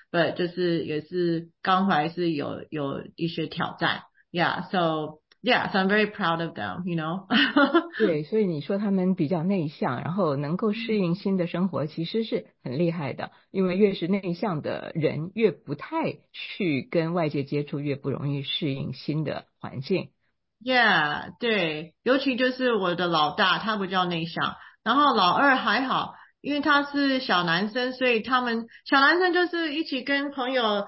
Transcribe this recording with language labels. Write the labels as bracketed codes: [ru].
[en] But [zh] 就是也是刚回来是有一些挑战。 [en] Yeah, so, yeah, so I'm very proud of them, you know? [zh] 对，所以你说他们比较内向，然后能够适应新的生活，其实是很厉害的。因为越是内向的人，越不太去跟外界接触，越不容易适应新的环境。 [en] Yeah, [zh] 对，尤其就是我的老大他比较内向，然后老二还好，因为他是小男生，所以他们小男生就是一起跟朋友